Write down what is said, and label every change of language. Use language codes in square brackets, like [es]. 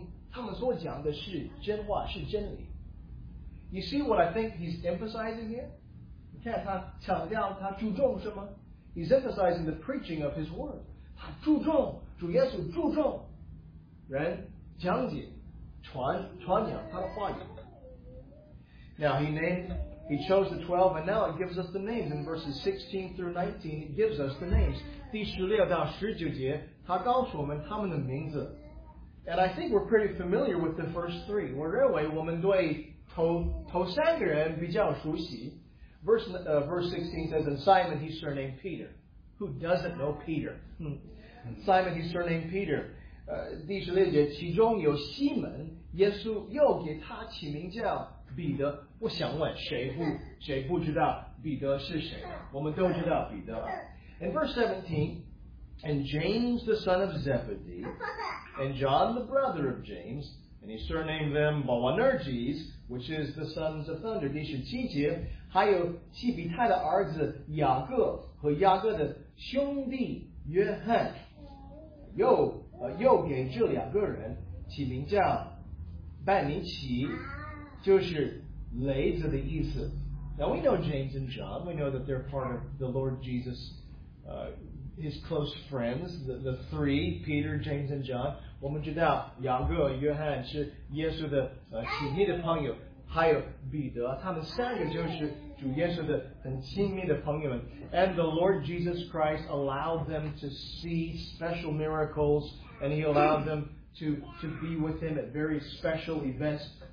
[zh] 他把这样的特别的就是特殊恩赐的权利让他们能够证明他们所讲的是真话是真理. [en] You see what I think he's emphasizing here? [zh] 你看他强调他注重什么? [en] He's emphasizing the preaching of his word. [zh] 他注重主耶稣注重 人讲解传扬他的话语. [en] Now he chose the 12, and now it gives us the names in verses 16 through 19. It gives us the names. [zh] 第十六到十九节，他告诉我们他们的名字. [en] And I think we're pretty familiar with the first three. [zh] 我认为我们对头三个人比较熟悉. [en] Verse 16 says, and Simon, he's surnamed Peter. Who doesn't know Peter? Simon, he's surnamed Peter. [zh] 第十六节，其中有西门，耶稣又给他起名叫彼得。我想问，谁不知道彼得是谁？我们都知道彼得。 [en] In verse 17, and James the son of Zebedee, and John the brother of James, and he surnamed them Boanerges, which is the sons of thunder, [zh] 第十七节, 还有西比泰的儿子雅各和雅各的兄弟约翰，又给这两个人起名叫班尼奇，就是雷子的意思。 [en] Now we know James and John. We know that they're part of the Lord Jesus, his close friends, the three, Peter, James, and John. [zh] 我们知道雅各、约翰是耶稣的亲密的朋友。还有彼得，他们三个就是主耶稣的很亲密的朋友们。 [en] And the Lord Jesus Christ allowed them to see special miracles, and he allowed them to be with him at very special events.